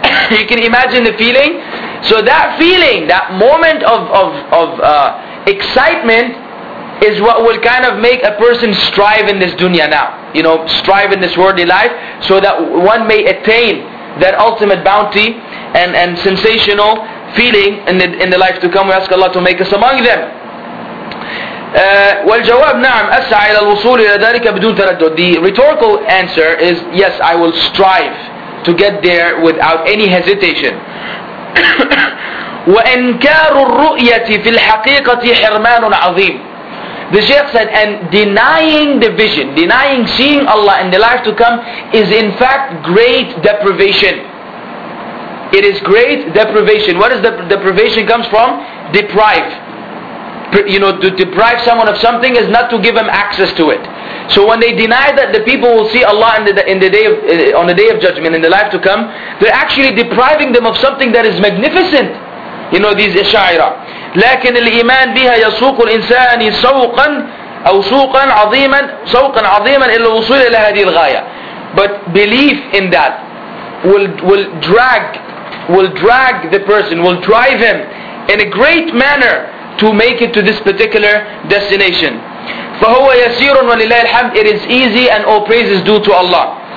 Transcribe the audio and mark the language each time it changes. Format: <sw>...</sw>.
<en>You can imagine the feeling. So that feeling, that moment of excitement, is what will kind of make a person strive in this dunya now. You know, strive in this worldly life, so that one may attain that ultimate bounty and sensational feeling in the life to come. We ask Allah to make us among them.</en> <ar>والجواب نعم أسعى إلى الوصول إلى ذلك بدون تردد.</ar> <en>The rhetorical answer is yes, I will strive to get there without any hesitation.</en> <ar>وإنكار الرؤية في الحقيقة حرمان عظيم.</ar> <en>The Shaykh said, and denying the vision, denying seeing Allah in the life to come, is in fact great deprivation. It is great deprivation. What is the deprivation comes from? Deprive. You know, to deprive someone of something is not to give them access to it. So when they deny that the people will see Allah on the day of judgment, in the life to come, they're actually depriving them of something that is magnificent. You know, these Ash'ariyah.</en> <ar>لكن الإيمان بها يسوق الإنسان سوقا أو سوقا عظيما سوقا عظيما إلى الوصول إلى هذه الغاية.</ar> <en>But belief in that will drag the person, will drive him in a great manner to make it to this particular destination.</en> <ar>فهو يسير ولله الحمد.</ar> <en>It is easy, and all praise is due to Allah.</en>